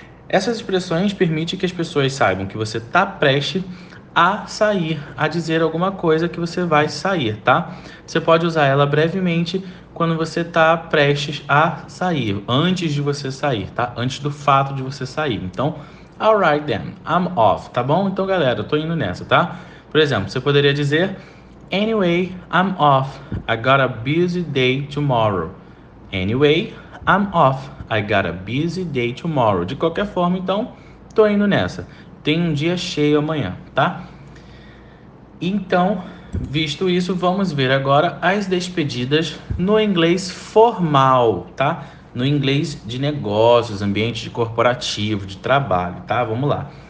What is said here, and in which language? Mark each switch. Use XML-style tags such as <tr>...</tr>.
<pt>Essas expressões permitem que as pessoas saibam que você está prestes a sair, a dizer alguma coisa que você vai sair, tá? Você pode usar ela brevemente quando você está prestes a sair, antes de você sair, tá? Antes do fato de você sair. Então,</pt> <en>alright then, I'm off,</en> <pt>tá bom? Então, galera, eu tô indo nessa, tá? Por exemplo, você poderia dizer</pt> <en>Anyway, I'm off. I got a busy day tomorrow. Anyway, I'm off. I got a busy day tomorrow.</en> <pt>De qualquer forma, então, tô indo nessa. Tem um dia cheio amanhã, tá? Então, visto isso, vamos ver agora as despedidas no inglês formal, tá? No inglês de negócios, ambiente de corporativo, de trabalho, tá? Vamos lá.</pt>